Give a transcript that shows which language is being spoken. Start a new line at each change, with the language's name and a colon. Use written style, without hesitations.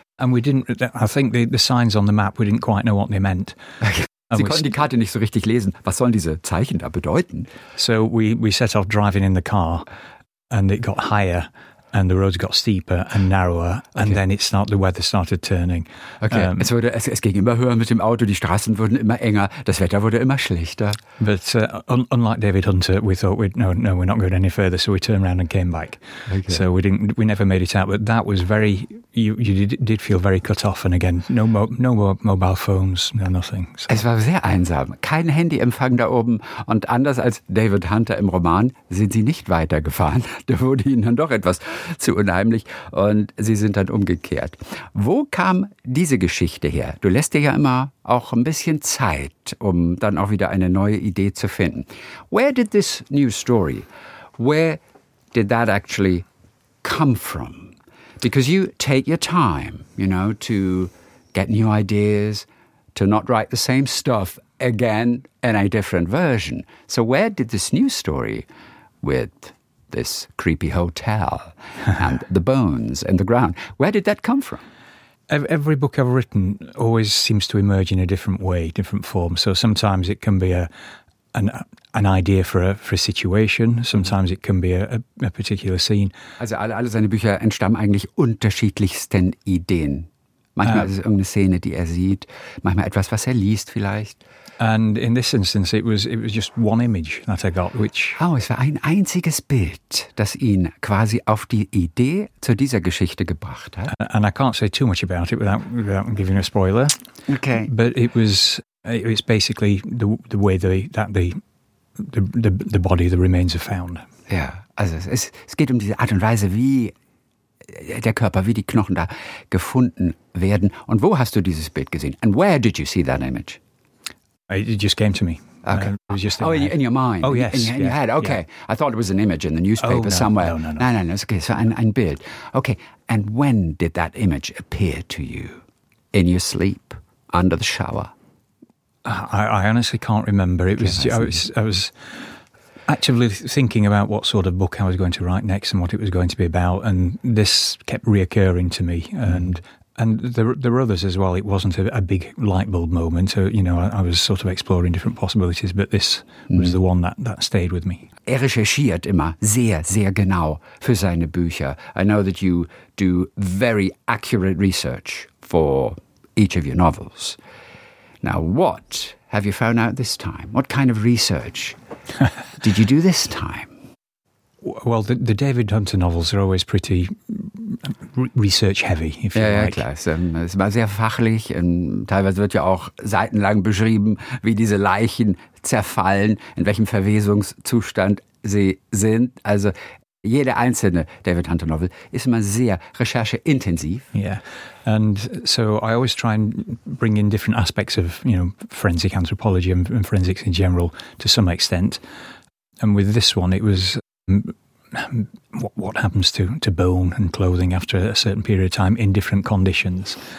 English: And we didn't, I think the signs on the map, we didn't quite know what they meant. Okay.
German: Sie konnten die Karte nicht so richtig lesen. Was sollen diese Zeichen da bedeuten?
English: So we set off driving in the car. And it got higher, and the roads got steeper and narrower, and okay. Then the weather started turning.
German: Okay, es ging immer höher mit dem Auto, die Straßen wurden immer enger, das Wetter wurde immer schlechter.
English: But unlike David Hunter, we thought, no, we're not going any further, so we turned around and came back. Okay. So we never made it out, but that was very, you did feel very cut off, and again, no more mobile phones, no nothing. So.
German: Es war sehr einsam, kein Handyempfang da oben, und anders als David Hunter im Roman, sind sie nicht weitergefahren, da wurde ihnen dann doch etwas zu unheimlich und sie sind dann umgekehrt. Wo kam diese Geschichte her? Du lässt dir ja immer auch ein bisschen Zeit, um dann auch wieder eine neue Idee zu finden.
English: Where did that actually come from? Because you take your time, you know, to get new ideas, to not write the same stuff again in a different version. So where did this new story with this creepy hotel and the bones and the ground. Where did that come from? Every book I've written always seems to emerge in a different way, different form. So sometimes it can be an idea for a situation. Sometimes it can be a particular scene.
German: Also alle seine Bücher entstammen eigentlich unterschiedlichsten Ideen. Manchmal ist es irgendeine Szene, die sieht. Manchmal etwas, was liest vielleicht.
English: And in this instance, it was just one image that I got, which...
German: Oh, es war ein einziges Bild, das ihn quasi auf die Idee zu dieser Geschichte gebracht hat.
English: And I can't say too much about it without giving a spoiler. Okay. But it's basically the way the body, the remains are found.
German: Ja, also es geht um diese Art und Weise, wie der Körper, wie die Knochen da gefunden werden. Und wo hast du dieses Bild gesehen?
English: And where did you see that image? It just came to me. Okay. It was just in in your mind. Oh, yes. In your head. Okay. Yeah. I thought it was an image in the newspaper somewhere. No. It's okay. So,
German: ein Bild.
English: Okay. And when did that image appear to you? In your sleep? Under the shower? I honestly can't remember. I was actively thinking about what sort of book I was going to write next and what it was going to be about. And this kept reoccurring to me. And there were others as well. It wasn't a big light bulb moment. So, you know, I was sort of exploring different possibilities, but this was the one that stayed with me.
German: Er recherchiert immer sehr, sehr genau für seine Bücher.
English: I know that you do very accurate research for each of your novels. Now, what have you found out this time? What kind of research did you do this time? Well, the David Hunter novels are always pretty research-heavy, if you like.
German: Ja, klar. Es ist immer sehr fachlich. Teilweise wird ja auch seitenlang beschrieben, wie diese Leichen zerfallen, in welchem Verwesungszustand sie sind. Also jede einzelne David Hunter novel ist immer sehr rechercheintensiv.
English: Yeah, and so I always try and bring in different aspects of, you know, forensic anthropology and forensics in general to some extent. And with this one, it was... What happens to bone and clothing after a certain period of time in different conditions.